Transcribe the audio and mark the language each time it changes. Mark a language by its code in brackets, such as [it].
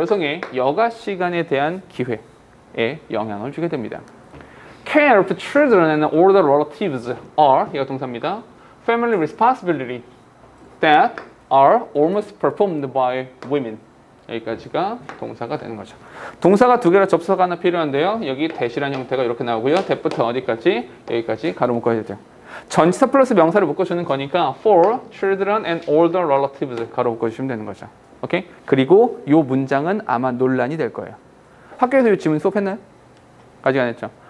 [ko] 여성의 여가 시간에 대한 기회에 영향을 주게 됩니다. [en] Care of the children and older relatives are [ko] 이거 동사입니다. [en] Family responsibility that are almost performed by women. [ko] 여기까지가 동사가 되는 거죠. 동사가 두 개라 접속 하나 필요한데요. 여기 대시라는 형태가 이렇게 나오고요. 대부터 어디까지? 여기까지 가로 묶어야 돼요. 전치사 플러스 명사를 묶어주는 거니까 [en] for children and older relatives [ko] 가로 묶어주시면 되는 거죠. 오케이? 그리고 이 문장은 아마 논란이 될 거예요. 학교에서 이 질문 수업했나요? 아직 안 했죠?